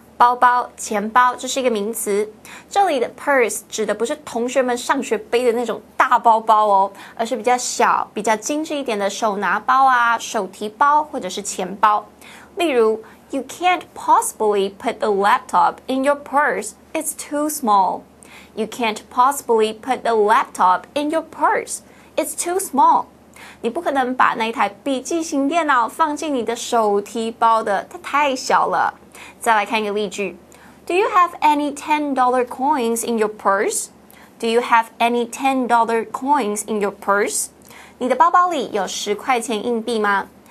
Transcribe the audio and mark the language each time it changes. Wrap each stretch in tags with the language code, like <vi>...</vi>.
<zh>包包、钱包，这是一个名词。这里的 purse 指的不是同学们上学背的那种大包包哦，而是比较小、比较精致一点的手拿包啊、手提包或者是钱包。例如</zh> <en>，You can't possibly put a laptop in your purse. It's too small. You can't possibly put a laptop in your purse. It's too small.</en> <zh>你不可能把那台笔记型电脑放进你的手提包的，它太小了。再来看一个例句</zh> <en>，Do you have any $10 coins in your purse? Do you have any $10 coins in your purse?</en> <zh>你的包包里有十块钱硬币吗？</zh>